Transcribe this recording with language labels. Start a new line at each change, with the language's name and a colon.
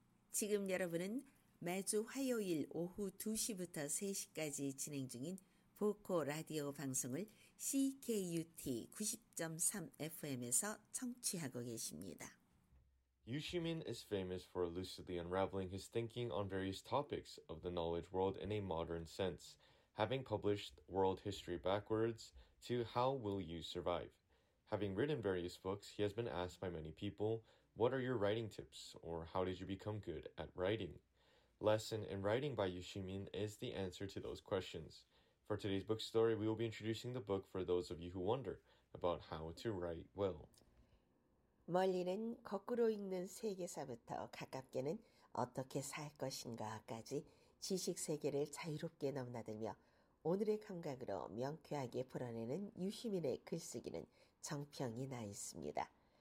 Korean: 지금 여러분은 매주 화요일 오후 2시부터 3시까지 진행 중인 보코 라디오 방송을 CKUT 90.3 FM에서 청취하고 계십니다.
English: Yu Shimin is famous for lucidly unraveling his thinking on various topics of the knowledge world in a modern sense, having published World History Backwards to How Will You Survive. Having written various books, he has been asked by many people, what are your writing tips, or how did you become good at writing? Lesson in Writing by Yu Shimin is the answer to those questions. For today's book story, we will be introducing the book for those of you who wonder about how to write well.
Korean: 멀리는 거꾸로 읽는 세계사부터 가깝게는 어떻게 살 것인가까지 지식 세계를 자유롭게 넘나들며 오늘의 감각으로 명쾌하게 풀어내는 유시민의 글쓰기는 정평이 나 있습니다.